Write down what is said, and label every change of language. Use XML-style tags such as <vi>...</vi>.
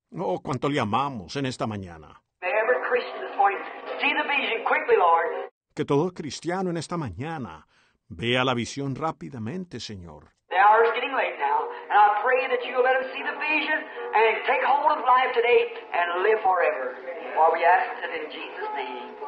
<es>Oh, cuánto le amamos en esta mañana.</es> <en>May every Christian this morning see the vision quickly, Lord.</en> <es>Que todo cristiano en esta mañana vea la visión rápidamente, Señor.</es> <en>The hour is getting late now, and I pray that you will let us see the vision and take hold of life today and live forever. While we ask it in Jesus' name.</en>